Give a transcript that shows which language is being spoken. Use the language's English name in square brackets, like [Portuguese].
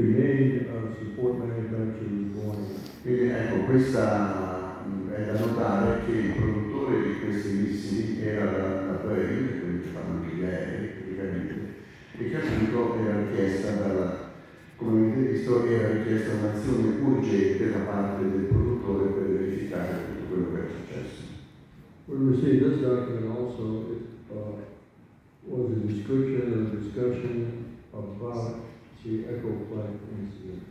[English] main support manufacturer is Boeing. [Italian] Quindi ecco, questa è da notare che il produttore di questi missili era la Boeing, quindi ci fanno anche gli aerei, e che appunto era richiesta dalla, come avete visto, era richiesta un'azione urgente da parte del produttore per verificare tutto quello che è successo. [English] We received this document also, was a description of a discussion about the Echo Flight incident.